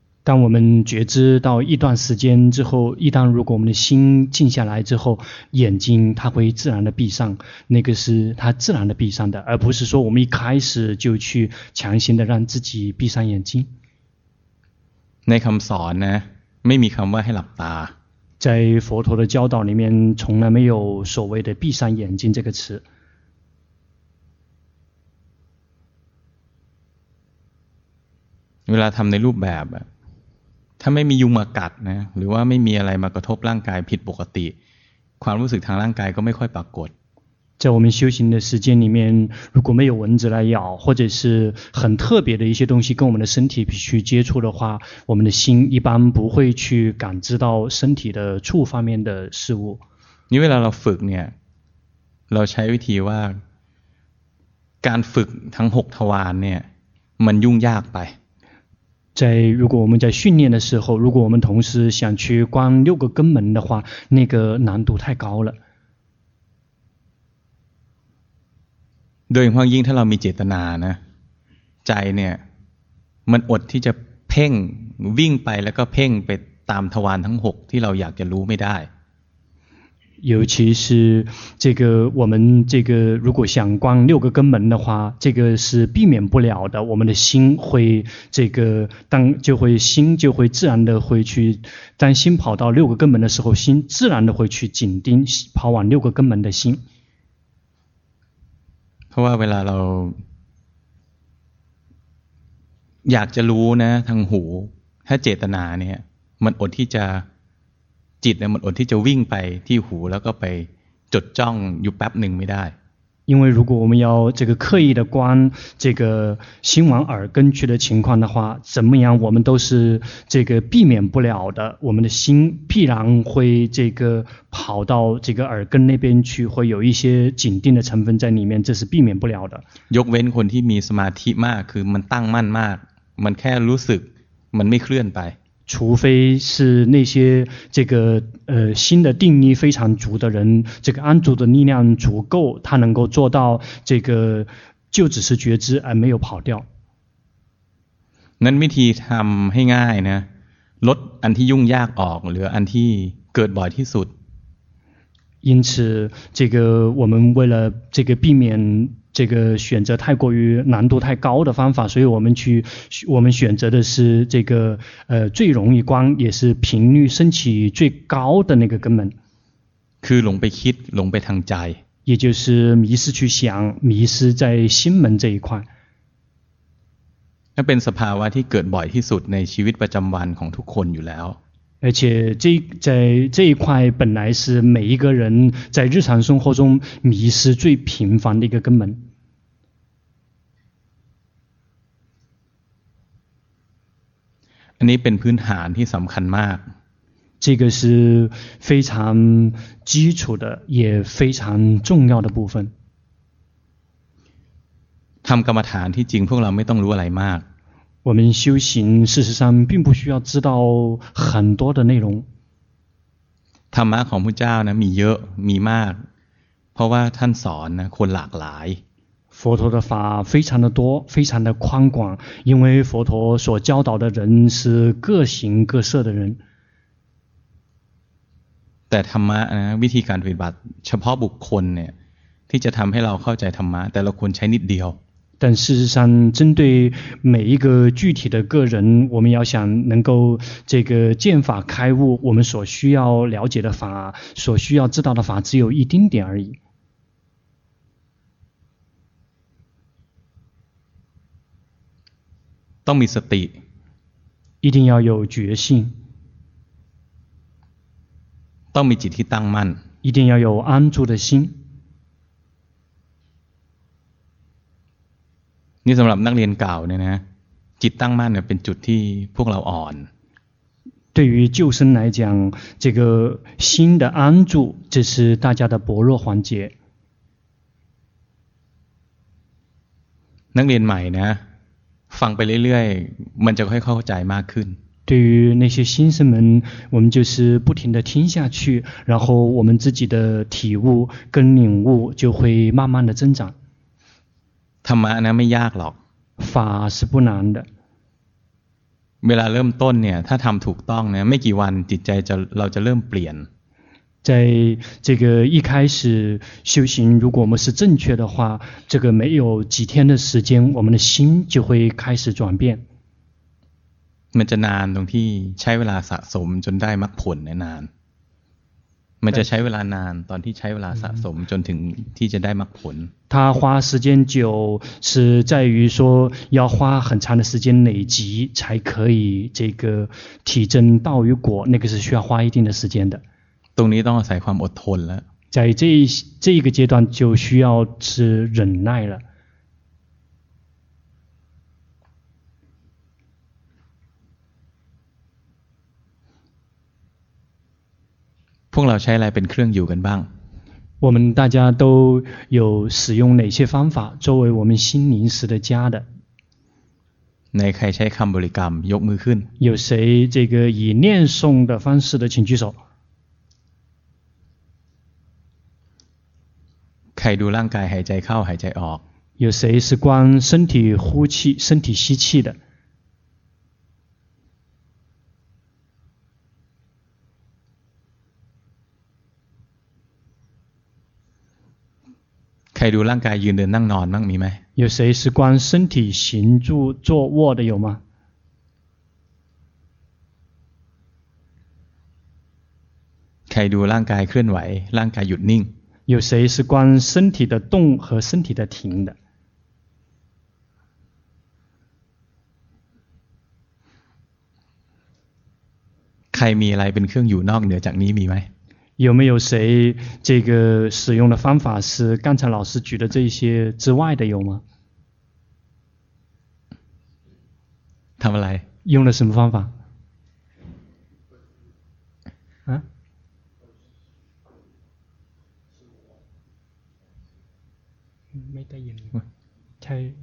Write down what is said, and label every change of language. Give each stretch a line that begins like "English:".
Chinese: 当我们觉知到一段时间之后一旦如果我们的心静下来之后眼睛它会自然的闭上那个是它自然的闭上的而不是说我们一开始就去强行的让自己闭上眼睛
Thai: ในคำสอนนะไม่มีคำว่าให้หลับตา
Chinese: 在佛陀的教导里面从来没有所谓的闭上眼睛这个词
Thai: เวลาทำในรูปแบบถ้าไม่มียุงมากัดนะหรือว่าไม่มีอะไรมากระทบร่างกายผิดปกติความรู้สึกทางร่างกายก็ไม่ค่อยปรากฏ
Chinese: 在我们修行的时间里面如果没有蚊子来咬或者是很特别的一些东西跟我们的身体去接触的话我们的心一般不会去感知到身体的触方面的事物因为
Thai: เวลาเราฝึกเนี่ยเราใช้วิธีว่าการฝึกทั้ง6ทวารเนี่ยมันยุ่งยากไป
Chinese: 在如果我们在训练的时候如果我们同时想去观六个根门的话那个难度太高了
Thai: โดยเฉพาะยิ่งถ้าเรามีเจตนานะใจเนี่ยมันอดที่จะเพ่งวิ่งไปแล้วก็เพ่งไปตามทวารทั้ง6ที่เราอยากจะรู้ไม่ได้
Chinese: 尤其是这个我们这个如果想观六个根门的话这个是避免不了的我们的心会这个当就会心就会自然的会去当心跑到六个根门的时候心自然的会去紧盯跑往六个根门的心
Thai: เพราะว่าเวลาเราอยากจะรู้นะทางหูถ้าเจตนาเนี่ยมันอดที่จะจิตเนี่ยมันอดที่จะวิ่งไปที่หูแล้วก็ไปจดจ้องอยู่แป๊บหนึ่งไม่ได้
Chinese: 因为如果我们要这个刻意的观这个心往耳根去的情况的话怎么样我们都是这个避免不了的我们的心必然会这个跑到这个耳根那边去会有一些紧定的成分在里面这是避免不了的
Thai: ยกเว้นคนที่มีสมาธิมากคือมันตั้งมั่นมากมันแค่รู้สึกมันไม่เคลื่อนไป
Chinese: 除非是那些这个心的定力非常足的人这个安住的力量足够他能够做到这个就只是觉知而没有跑掉
Thai: นั้นวิธีทำให้ง่ายนะลดอันที่ยุ่งยากออกหรืออันที่เกิดบ่อยที่สุด
Chinese: 因此这个我们为了这个避免这个选择太过于难度太高的方法所以我们选择的是这个最容易观也是频率升起最高的那个根本
Thai: คือหลงไปคิดหลงไปทางใจ
Chinese: 也就是迷失去想迷失在心门这一块
Thai: นั่นเป็นสภาวะที่เกิดบ่อยที่สุดในชีวิตประจำวันของทุกคนอยู่แล้ว
Chinese: 而且在这一块本来是每一个人在日常生活中迷失最频繁的一个根本
Thai: อันนี้เป็นพื้นฐานที่สำคัญมาก
Chinese: 这个是非常基础的也非常重要的部分
Thai: ทำกรรมฐานที่จริงพวกเราไม่ต้องรู้อะไรมาก
Chinese: 我们修行事实上并不需要知道很多的内容
Thai: ธรรมะของพระเจ้านะมีเยอะมีมากเพราะว่าท่านสอนนะคนหลากหลาย
Chinese: 佛陀的法非常的多非常的宽广因为佛陀所教导的人是各形各色的人
Thai: แต่ธรรมะนะวิธีการปฏิบัติเฉพาะบุคคลเนี่ยที่จะทำให้เราเข้าใจธรรมะแต่ละคนใช้นิดเดียว
Chinese: 但事实上针对每一个具体的个人，我们要想能够这个见法开悟，我们所需要了解的法，所需要知道的法只有一丁点而已。
Thai: ต้องมีสติ
Chinese: 一定要有决心。
Thai: ต้องมีจิตที่ตั้งมั่น
Chinese: 一定要有安住的心。
Thai: นี่สำหรับนักเรียนเก่าเนี่ยนะจิตตั้งมั่นเนี่ยเป็นจุดที่พวกเราอ่อน
Chinese: 对于旧生来讲这个心的安住这是大家的薄弱环节
Thai: นักเรียนใหม่นะฟังไปเรื่อยๆมันจะค่อยเข้าใจมากขึ้น
Chinese: 对于那些新生们我们就是不停地听下去然后我们自己的体悟跟领悟就会慢慢地增长
Thai: ธรรมะนะไม่ยากหรอก
Chinese: 法是不难的
Thai: เวลาเริ่มต้นเนี่ยถ้าทำถูกต้องเนี่ยไม่กี่วันจิตใจจะเราจะเริ่มเปลี่ยน
Chinese: 在这个一开始修行如果我们是正确的话这个没有几天的时间我们的心就会开始转变
Thai: มันจะนานตรงที่ใช้เวลาสะสมจนได้มรรคผลนานมันจะใช้เวลานานตอนที่ใช้เวลาสะสมจนถึงที่จะได้มรรคผล
Chinese: 他花时间久是在于说要花很长的时间累积才可以这个体证道与果那个是需要花一定的时间的
Thai: ตรงนี้ต้องอาศัยความอดทนแล้ว
Chinese: 在这个阶段就需要是忍耐了
Thai: พวกเราใช้อะไรเป็นเครื่องอยู่กันบ้าง
Chinese: 我们大家都有使用哪些方法作为我们心灵时的家的
Thai: ในใครใช้คำบริกรรมยกมือขึ้น
Chinese: 有谁这个以念诵的方式的请举手
Thai: ใครดูร่างกายหายใจเข้าหายใจออก
Chinese: 有谁是观身体呼气身体吸气的
Thai: ใครดูร่างกายยืนเดินนั่งนอนบ้างมีไหม
Chinese: 有谁是观身体行住坐卧的有吗
Thai: ใครดูร่างกายเคลื่อนไหวร่างกายหยุดนิ่ง
Chinese: 有谁是观身体的动和身体的停的
Thai: ใครมีอะไรเป็นเครื่องอยู่นอกเหนือจากนี้มีไหม
Chinese: 有没有谁这个使用的方法是刚才老师举的这些之外的有吗他们来用了什么方法啊没得音开